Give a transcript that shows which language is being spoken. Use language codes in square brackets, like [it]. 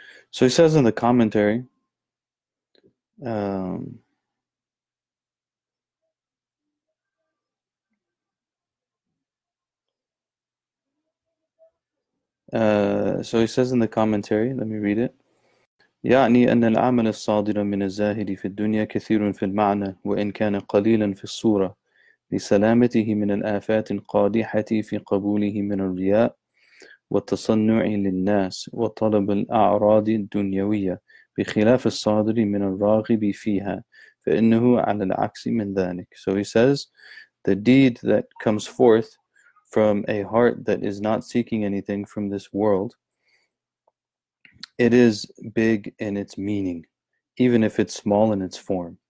[en] So he says in the commentary, let me read it. [ar] يعني أن العمل الصادر من الزاهد في الدنيا كثير في المعنى وإن كان قليلا في الصورة لسلامته من الآفات القادحة في قبوله من الرياء والتصنع للناس وطلب الأعراض الدنيوية بخلاف الصادر من الراغب فيها فإنه على العكس من ذلك. [en] So he says, the deed that comes forth from a heart that is not seeking anything from this world, it is big in its meaning, even if it's small in its form.